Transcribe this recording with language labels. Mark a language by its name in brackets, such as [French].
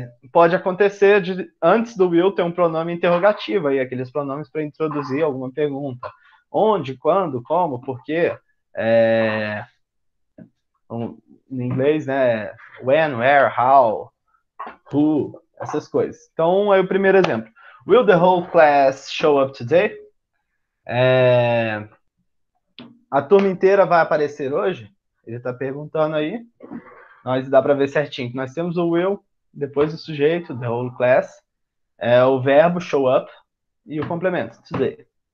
[Portuguese] Pode acontecer de antes do will ter um pronome interrogativo aí, aqueles pronomes para introduzir alguma pergunta. Onde, quando, como, por quê? Em inglês, né? [English] When, where, how, who, [Portuguese] essas coisas. Então, aí o primeiro exemplo. [English] Will the whole class show up today? [Portuguese] A turma inteira vai aparecer hoje? Ele está perguntando aí. Nós dá para ver certinho. Nós temos o will, depois o sujeito, [English] the whole class, [Portuguese] o verbo [English] show up [Portuguese] e o complemento, today.